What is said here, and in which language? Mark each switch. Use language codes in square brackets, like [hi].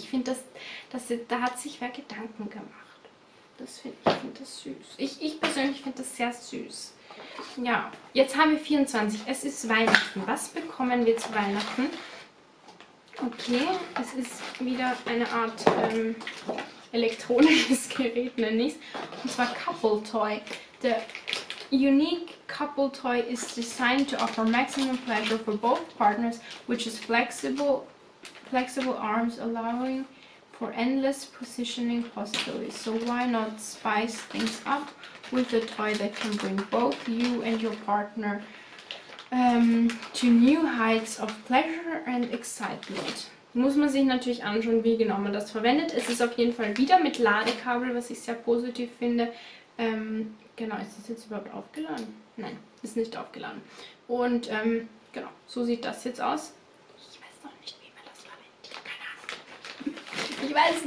[de] Ich finde das, da hat sich wer Gedanken gemacht. Ich finde das süß. Ich persönlich finde das sehr süß. Ja, jetzt haben wir 24. Es ist Weihnachten. Was bekommen wir zu Weihnachten? Okay, es ist wieder eine Art elektronisches Gerät, nenne ich es. Und zwar Couple Toy. [en] Der Unique Couple Toy is designed to offer maximum pleasure for both partners, which is flexible arms allowing for endless positioning possibilities. So why not spice things up with a toy that can bring both you and your partner to new heights of pleasure and excitement. [de] Muss man sich natürlich anschauen, wie genau man das verwendet. Es ist auf jeden Fall wieder mit Ladekabel, was ich sehr positiv finde. Genau, ist das jetzt überhaupt aufgeladen? Nein, ist nicht aufgeladen. Und genau, so sieht das jetzt aus. Ich weiß noch nicht, wie man das verwendet. Keine Ahnung.